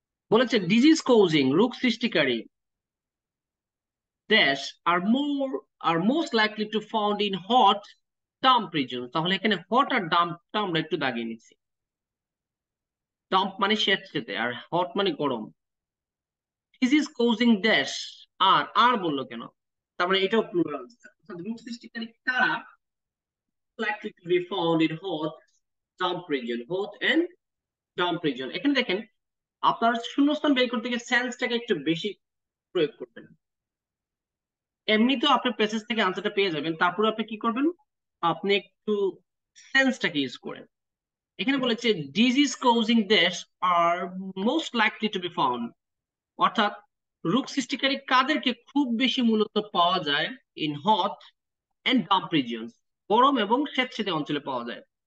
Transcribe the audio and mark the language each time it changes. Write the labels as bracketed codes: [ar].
[bn] বলেছে ডিজিজ কোজিং, রোগ সৃষ্টিকারী দেশ [en] are more are most likely to found in hot damp region, [bn] তাহলে এখানে হট আর ডাম্পটা আমরা একটু দাগিয়ে নিচ্ছি, ডাম্প মানে স্যাঁতসেঁতে আর হট মানে গরম, ডিজিজ কোজিং দেশ আর আর বললো কেন, তারপরে এটাও প্লুরাল, রোগ সৃষ্টিকারী কারা [en] likely to be found in hot damp region, hot and damp region. [bn] এখানে দেখেন আপনার শূন্যস্থান বের করতে গিয়ে সেন্সটাকে একটু বেশি প্রয়োগ করবেন। এমনি তো আপনি প্যাসেজ থেকে আনসারটা পেয়ে যাবেন, তারপরে আপনি কি করবেন, আপনি একটু সেন্সটাকে ইউজ করেন। এখানে বলেছে ডিজিজ কোজিং দেশ [en] are most likely to be found, [bn] অর্থাৎ রোগ সৃষ্টিকারী কাদেরকে খুব বেশি মূলত পাওয়া যায় [en] in hot and damp region, [bn] গরম এবং স্যাঁতসেঁতে অঞ্চলে পাওয়া যায়।